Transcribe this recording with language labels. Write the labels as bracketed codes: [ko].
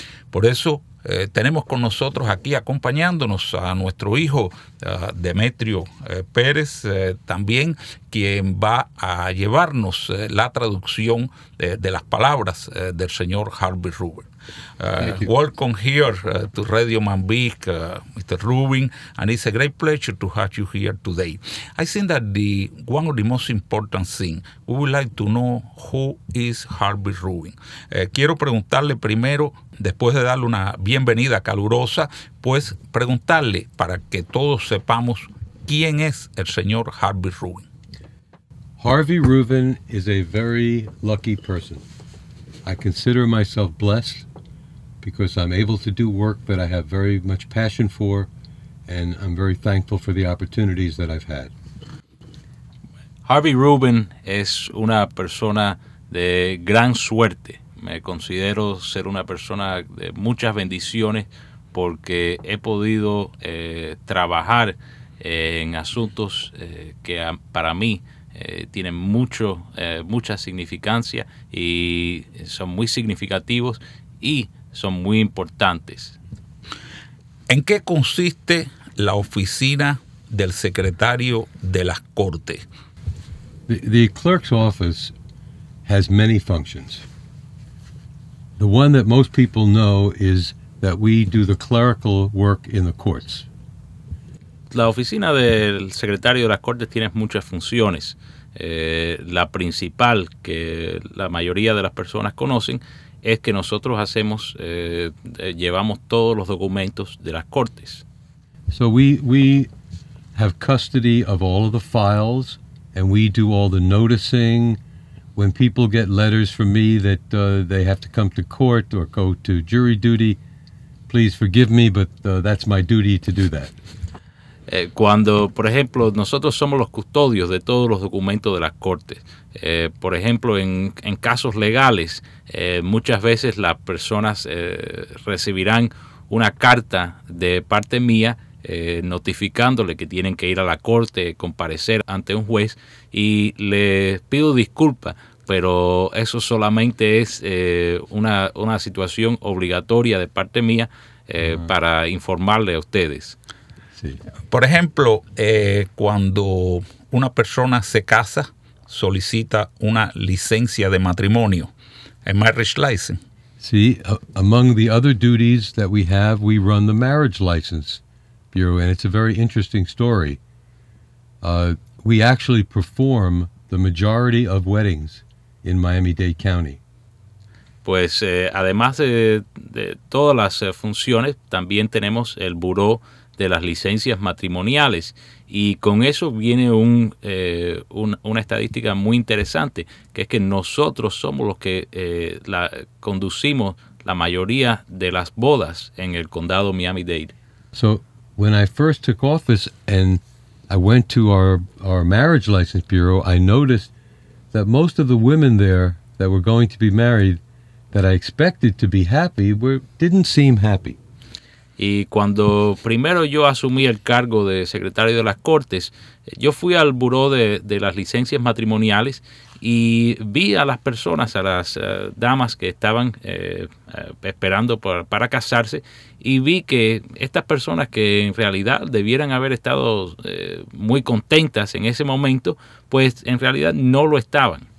[es] Por eso tenemos con nosotros aquí acompañándonos a nuestro hijo Demetrio Pérez, también quien va a llevarnos la traducción de las palabras del señor Harvey Rubin. [en] Welcome here to Radio Mambique, Mr. Rubin, and it's a great pleasure to have you here today. I think that the one of the most important thing, we would like to know who is Harvey Rubin. [es] Quiero preguntarle primero, después de darle una bienvenida calurosa, pues preguntarle para que todos sepamos quién es el señor Harvey Rubin. [en] Harvey Rubin is a very lucky person. I consider myself blessed because I'm able to do work that I have very much passion for, and I'm very thankful for the opportunities that I've had. [es] Harvey Rubin es una persona de gran suerte. Me considero ser una persona de muchas bendiciones porque he podido trabajar en asuntos que para mí tienen mucha significancia y son muy significativos y son muy importantes. ¿En qué consiste la oficina del secretario de las Cortes? [en] The clerk's office has many functions. The one that most people know is that we do the clerical work in the courts. [es] La oficina del secretario de las Cortes tiene muchas funciones. La principal que la mayoría de las personas conocen es que nosotros hacemos, llevamos todos los documentos de las Cortes. [en] So we have custody of all of the files, and we do all the noticing. When people get letters from me that they have to come to court or go to jury duty, please forgive me, but that's my duty to do that. [es] Cuando, por ejemplo, nosotros somos los custodios de todos los documentos de las Cortes. Por ejemplo, en casos legales, muchas veces las personas recibirán una carta de parte mía notificándole que tienen que ir a la corte, comparecer ante un juez, y les pido disculpas, pero eso solamente es una situación obligatoria de parte mía para informarle a ustedes. Sí. Por ejemplo, cuando una persona se casa, solicita una licencia de matrimonio, [en] a marriage license. Sí, among the other duties that we have, we run the marriage license bureau, and it's a very interesting story. We actually perform the majority of weddings in Miami-Dade County. [es] Pues además de todas las funciones, también tenemos el buró de las licencias matrimoniales, y con eso viene una estadística muy interesante, que es que nosotros somos los que conducimos la mayoría de las bodas en el condado Miami-Dade. [en] So when I first took office and I went to our marriage license bureau, I noticed that most of the women there that were going to be married, that I expected to be happy, didn't seem happy. [es] Y cuando primero yo asumí el cargo de secretario de las Cortes, yo fui al Buró de las Licencias Matrimoniales y vi a las personas, a las damas que estaban esperando para casarse, y vi que estas personas que en realidad debieran haber estado muy contentas en ese momento, pues en realidad no lo estaban.